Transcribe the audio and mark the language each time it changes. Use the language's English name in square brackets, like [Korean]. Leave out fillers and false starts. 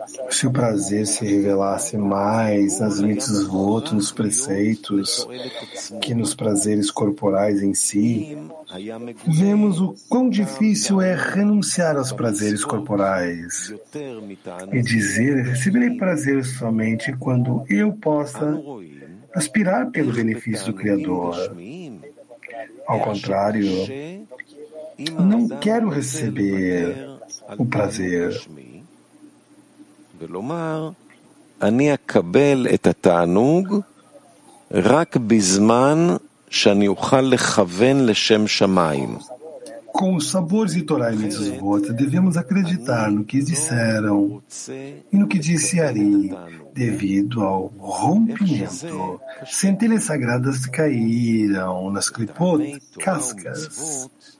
[Portuguese] Se o prazer se revelasse mais nas mitzvot, nos preceitos, que nos prazeres corporais em si, vemos o quão difícil é renunciar aos prazeres corporais e dizer: receberei prazer somente quando eu possa aspirar pelo benefício do Criador. Ao contrário, não quero receber o prazer. [Hebrew] ולומר, אני אקבל את התענוג רק בזמן שאני אוכל לכוון לשם שמיים. [Portuguese] Com os sabores de Torá e Mitzvot, devemos acreditar no que disseram e no que disse Ari, devido ao rompimento. Centelhas sagradas caíram nas Klipot, cascas.